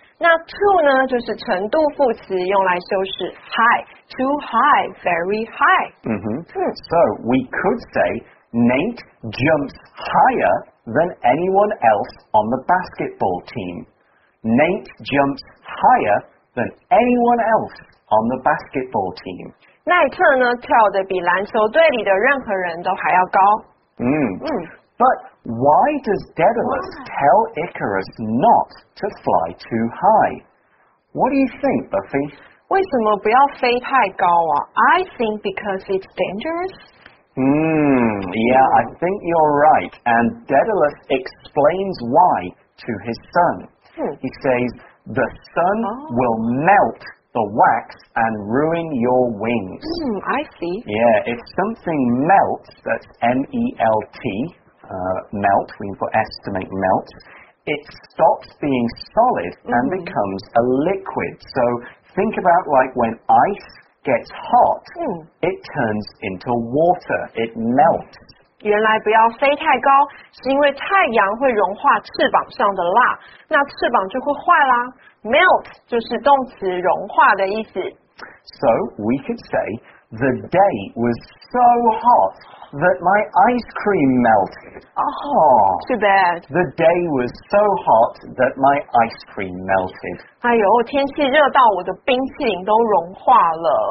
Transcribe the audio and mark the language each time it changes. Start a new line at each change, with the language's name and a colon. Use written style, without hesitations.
Chinese: 那 to 呢，就是程度副词，用来修饰 high,
English: too high, very high.
Chinese: 嗯哼。
English: So we could say Nate jumps higher than anyone else on the basketball team. Nate jumps higher than anyone else on the basketball team.
Chinese: 奈特呢跳得比篮球队里的任何人都还要高。
English: But why does Daedalus tell Icarus not to fly too high? What do you think, Buffy?
Chinese: 为什么不要飞太高啊 ？
English: I think because it's dangerous. Yeah, I think you're right. And Daedalus explains why to his son. He says the sun will melt. The wax and ruin your wings. I see. Yeah, if something melts, that's M-E-L-T, melt, we can put S to make melt, it stops being solid and becomes a liquid. So think about like when ice gets hot, it turns into water, it melts.
Chinese: 原来不要飞太高，是因为太阳会融化翅膀上的蜡，那翅膀就会坏啦。 Melt 就是动词融化的意思。
English: So we could say the day was so hot that my ice cream melted. Oh, too bad. The day was so hot that my ice cream melted.
Chinese: 哎呦，天气热到我的冰淇淋都融化了。